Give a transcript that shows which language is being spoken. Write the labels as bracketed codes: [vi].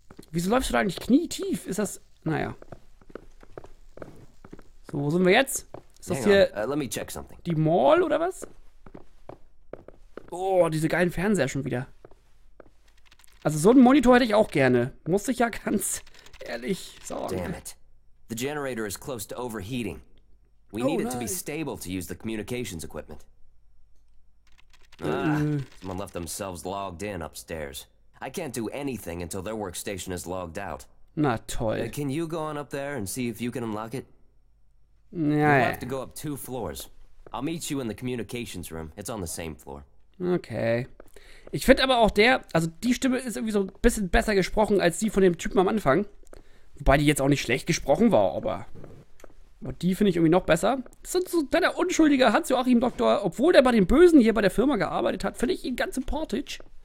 [de] Wieso läufst du da eigentlich knietief? Ist das, naja. So, wo sind wir jetzt? Ist das hier die Mall oder was? Oh, diese geilen Fernseher schon wieder. Also so einen Monitor hätte ich auch gerne. Muss ich ja ganz ehrlich sagen. [en] Damn it. The generator is close to overheating. We need it to be stable to use the communications equipment. Someone left themselves logged in upstairs. I can't do anything until their workstation is logged out. [de] Na toll. [en] Can you go on up there and see if you can unlock it? [de] Naja. [en] You'll have to go up 2 floors. I'll meet you in the communications room. It's on the same floor. Okay. [de] Ich finde aber auch der, also die Stimme ist irgendwie so ein bisschen besser gesprochen als die von dem Typen am Anfang. Wobei die jetzt auch nicht schlecht gesprochen war, aber die finde ich irgendwie noch besser. Das ist so deiner unschuldiger Hans-Joachim Doktor, obwohl der bei den Bösen hier bei der Firma gearbeitet hat, finde ich ihn ganz sympathisch.